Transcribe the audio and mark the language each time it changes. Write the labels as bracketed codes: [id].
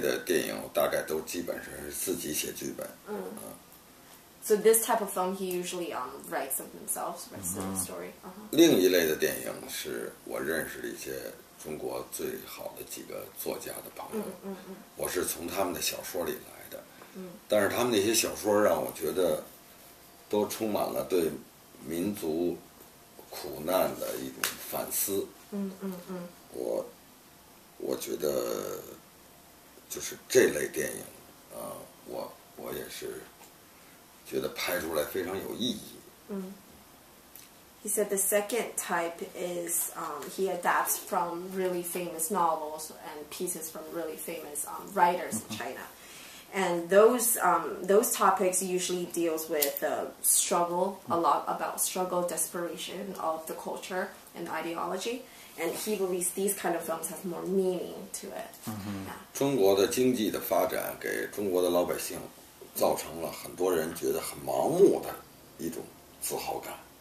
[zh] 那么这一类的电影大概都基本上是自己写剧本。 [en] So this type of film, he usually writes of himself, writes the story. [zh] 另一类的电影是我认识的一些中国最好的几个作家的朋友，我是从他们的小说里来的，但是他们那些小说让我觉得都充满了对民族苦难的一种反思。我觉得就是这类电影，我也是觉得拍出来非常有意义。 [en] He said the second type is he adapts from really famous novels and pieces from really famous writers in China. And those topics usually deals with the struggle, a lot about struggle, desperation of the culture and ideology. And he believes these kind of films have more meaning to it. Mm-hmm. [zh] 中国的经济的发展给中国的老百姓造成了很多人觉得很盲目的一种自豪感。